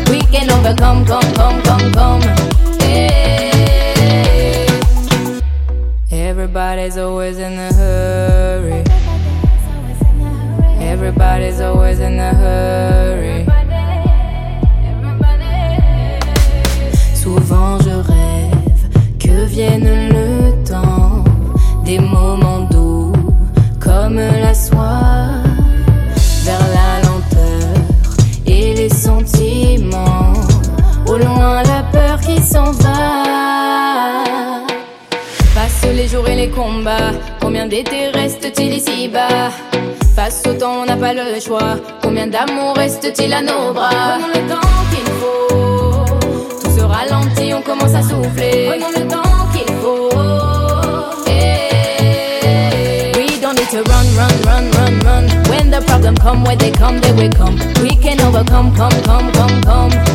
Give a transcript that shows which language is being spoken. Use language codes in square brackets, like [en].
[en] We can overcome, come, come, come, come. Everybody's always in a hurry. Everybody's always in a hurry. [fr] Souvent je rêve que vienne le temps des moments doux comme la soie vers la lenteur et les sentiments au loin. Qui s'en va. Passe les jours et les combats. Combien d'été reste-t-il ici-bas? Face au temps, on n'a pas le choix. Combien d'amour reste-t-il à nos bras? Prenons le temps qu'il faut. Tout se ralentit, on commence à souffler. Prenons le temps qu'il faut. [en] Hey. We don't need to run, run, run, run, run. When the problem come, when they come, they will come. We can overcome, come, come, come, come.